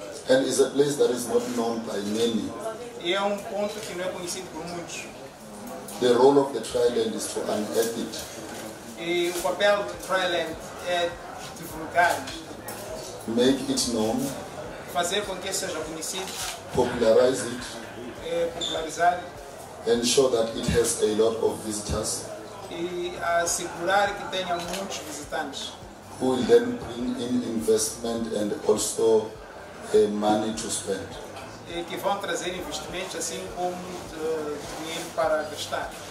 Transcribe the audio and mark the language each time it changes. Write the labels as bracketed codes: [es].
[en] And it's a place that is not known by many. [pt] E é ponto que não é conhecido por muitos. [en] The role of the Triland is to unearth it. [pt] E o papel do Triland é divulgar. [en] Make it known. [pt] Fazer com que seja conhecido. [en] Popularize it. [pt] É popularizar. [en] And show that it has a lot of visitors. [pt] E assegurar que tenha muitos visitantes. [en] Who will then bring in investment and also money to spend. [pt] E que vão trazer investimentos assim como dinheiro para gastar.